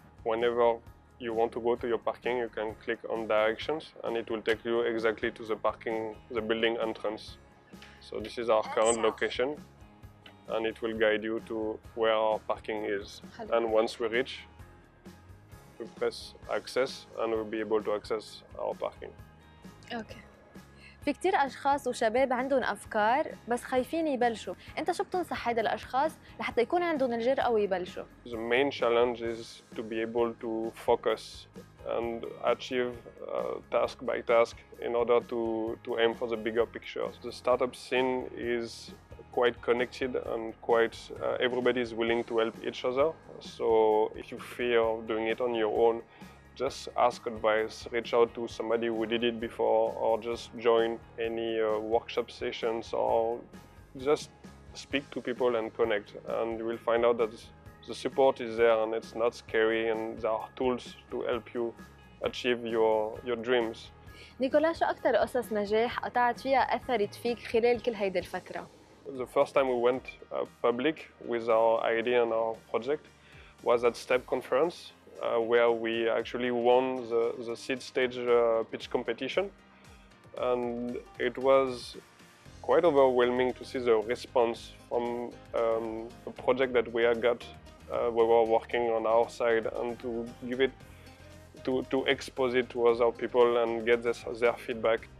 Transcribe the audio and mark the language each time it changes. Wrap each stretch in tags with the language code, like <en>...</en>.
<en>Whenever you want to go to your parking, you can click on directions and it will take you exactly to the parking, the building entrance. So this is our current location and it will guide you to where our parking is. And once we reach, we press access and we'll be able to access our parking. Okay.</en> <ar>في كتير أشخاص وشباب عندهم أفكار بس خايفين يبلشوا. أنت شو بتنصح هيدا الأشخاص لحتى يكون عندهم الجرأة ويبلشوا؟</ar> <en>The main challenge is to be able to focus and achieve task by task in order to aim for the bigger picture. The startup scene is quite connected and quite everybody is willing to help each other. So if you fear doing it on your own, just ask advice, reach out to somebody who did it before, or just join any workshop sessions, or just speak to people and connect. And you will find out that the support is there and it's not scary, and there are tools to help you achieve your dreams.</en> <ar>نيكولا, شو أكثر قصص نجاح قطعت فيها أثرت فيك خلال كل هيدي الفترة؟</ar> <en>The first time we went public with our idea and our project was at STEP conference. Where we actually won the seed stage pitch competition, and it was quite overwhelming to see the response from a project that we had got we were working on our side, and to give it to expose it to other people and get their feedback.</en>